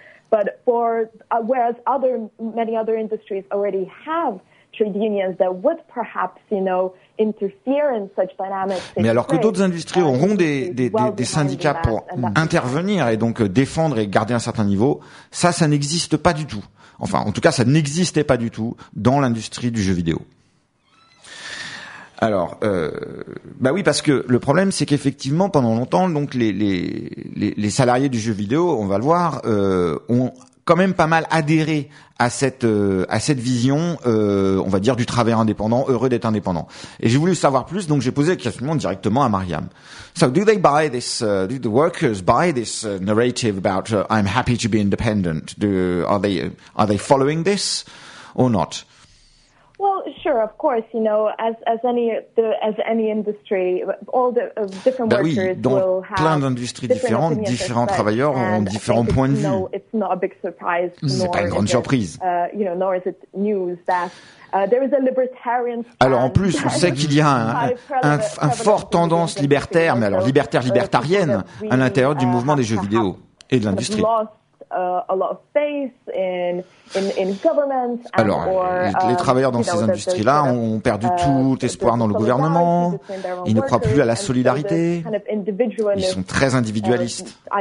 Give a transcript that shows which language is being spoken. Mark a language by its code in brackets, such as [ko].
[en] But for whereas many other industries already have trade unions that would perhaps, you know, interfere in such dynamics. [fr] Mais alors que d'autres industries auront des syndicats pour intervenir et donc défendre et garder un certain niveau, ça n'existe pas du tout. Enfin, en tout cas, ça n'existait pas du tout dans l'industrie du jeu vidéo. Alors, bah oui, parce que le problème, c'est qu'effectivement, pendant longtemps, donc les salariés du jeu vidéo, on va le voir, ont quand même pas mal adhéré à cette vision, on va dire, du travailleur indépendant, heureux d'être indépendant. Et j'ai voulu savoir plus, donc j'ai posé la question directement à Mariam. [en] So, do they buy this? Do the workers buy this narrative about I'm happy to be independent? Are they following this or not? Well, sure, of course, you know, as any industry, all the different workers will have different opinions. [fr] Bah oui, plein d'industries différentes, différents travailleurs ont différents points de vue. [en] No, it's not a big surprise. [fr] C'est pas une grande surprise. [en] You know, nor is it news that there is a libertarian. [fr] Alors, en plus, on sait qu'il y a un fort tendance libertaire, mais alors libertaire libertarienne, à l'intérieur du mouvement des jeux vidéo et de l'industrie. [en] A lot of faith in governments and [fr] alors, les travailleurs dans ces industries-là ont perdu tout espoir dans le gouvernement, ils ne croient plus à la solidarité, ils sont très individualistes.